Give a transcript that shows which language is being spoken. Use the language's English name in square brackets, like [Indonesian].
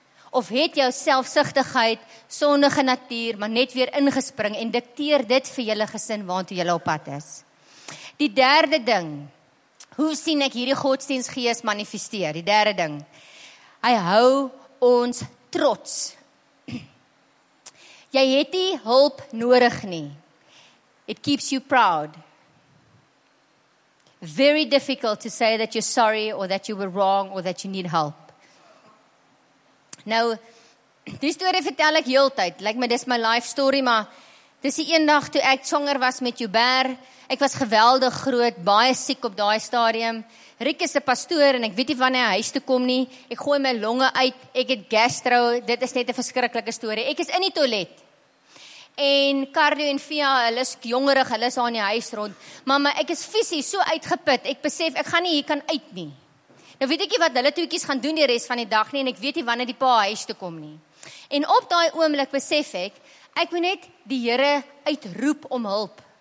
[Afrikaans] Of het jou selfsugtigheid, sondige natuur, maar net weer ingespring en dikteer dit vir julle gesin waantoe julle op pad is. Die derde ding, hoe sien ek hierdie godsdienstgees manifesteer? Die derde ding, hy hou ons trots. Jy het nie hulp nodig nie. [English] It keeps you proud. Very difficult to say that you're sorry or that you were wrong or that you need help. [Afrikaans] Nou, die story vertel ek heeltyd. Lyk my, dis my life story, maar dis die eendag toe ek swanger was met Joubert. Ek was geweldig groot, baie siek op daai stadium. Riek is 'n pastoor en ek weet nie wanneer hy huis toe kom nie. Ek gooi my longe uit, ek het gastro, dit is net 'n verskriklike story. Ek is in die toilet. En Cardio en Via, hulle is jongerig, hulle is aan die huis rond. Mama, ek is fisies so uitgeput, ek besef ek gaan nie hier kan uit nie. Nou weet ek nie wat hulle toetjies gaan doen die res van die dag nie en ek weet nie wanneer die pa huis toe kom nie. En op daai oomblik besef ek, ek moet net die Here uitroep om hulp.